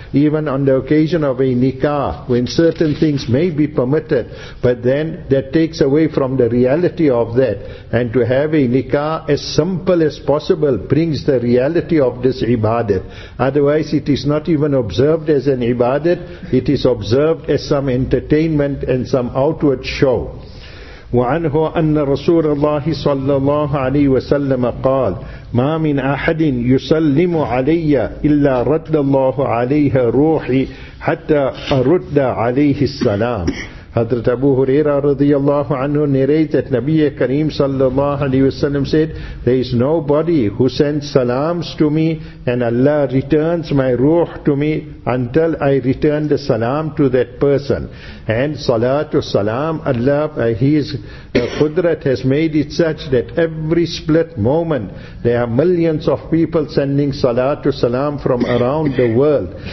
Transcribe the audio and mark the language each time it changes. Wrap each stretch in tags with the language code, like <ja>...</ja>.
<en>Even on the occasion of a nikah, when certain things may be permitted, but then that takes away from the reality of that. And to have a nikah as simple as possible brings the reality of this ibadat. Otherwise, it is not even observed as an ibadat, it is observed as some entertainment and some outward show.</en> <ar>وعنه أن رسول الله صلى الله عليه وسلم قال ما من أحد يسلم علي إلا رد الله عليه روحي حتى أرد عليه السلام.</ar> <en>Hazrat Abu Huraira radiyallahu anhu narrates that Nabiya Kareem sallallahu alayhi wa sallam said, there is nobody who sends salams to me and Allah returns my ruh to me until I return the salam to that person. And salatu salam, Allah, His Qudrat has made it such that every split moment there are millions of people sending salatu salam from around the world.</en>